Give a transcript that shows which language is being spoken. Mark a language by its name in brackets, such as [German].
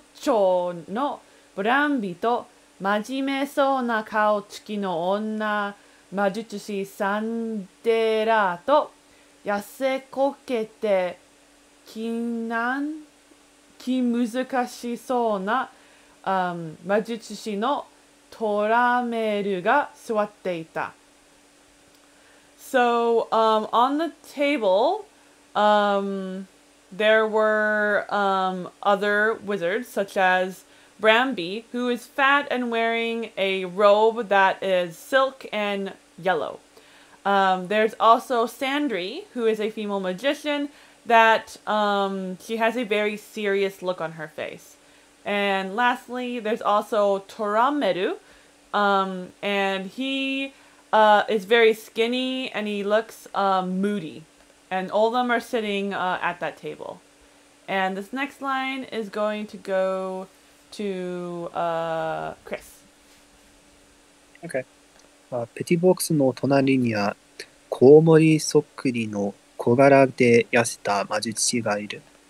[Japanese] ょのブランビと真面目そうな顔つきの女魔術師サンデラーと痩せこけて気難しそうな、魔術師のトラメルが座っていた。 [English] So, on the table, there were, other wizards such as Bramby, who is fat and wearing a robe that is silk and yellow. There's also Sandri, who is a female magician, that she has a very serious look on her face. And lastly, there's also Torameru, and he is very skinny and he looks moody. And all of them are sitting at that table. And this next line is going to go... To Chris. Okay. [Japanese] ペティボックスの隣にはコウモリそっくりの小柄で痩せた魔術師がいる。